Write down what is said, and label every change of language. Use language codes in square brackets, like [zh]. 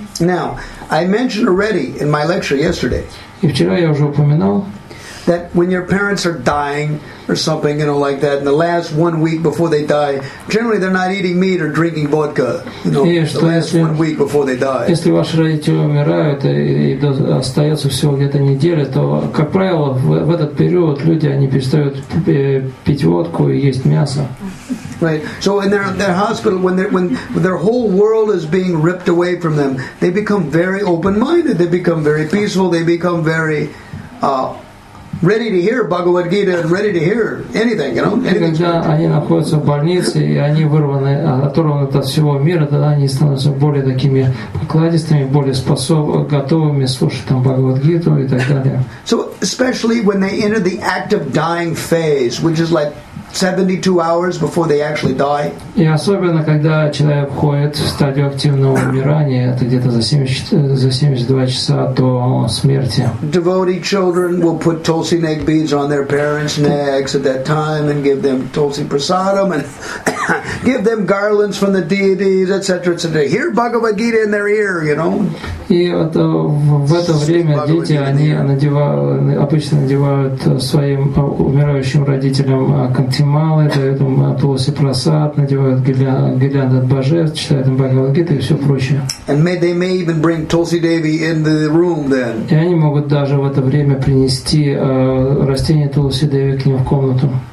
[en] Now, I mentioned already in my lecture yesterday that when your parents are dying or something, you know, like that, in the last 1 week before they die, generally they're not eating meat or drinking vodka, Right. So in their hospital when their whole world is being ripped away from them, they become very open minded, they become very peaceful, they become very ready to hear Bhagavad Gita and ready to hear anything, [ru] Они находятся в больнице и они вырваны, оторваны от всего мира, тогда они становятся более такими покладистыми, более готовыми слушать там Бхагавад Гиту и так далее. [en] So especially when they enter the active dying phase, which is like 72 hours before they actually die. [ru] И особенно когда человек входит в стадию активного умирания, это где-то за 72 часа до смерти. [en] Devotee children will put tulsi neck beads on their parents' necks at that time and give them tulsi prasadam and give them garlands from the deities, etc., etc. Hear Bhagavad Gita in their ear, [ru] И вот в это время дети они обычно надевают своим умирающим родителям кантималы, дают им тулси прасад, надевают гирлянды от божеств, читают им Бхагавад Гиту и все прочее. [en] And they may even bring Tulsi Devi in the room then. [ru] И они могут даже в это время принести растение Тулси Деви к ним в комнату.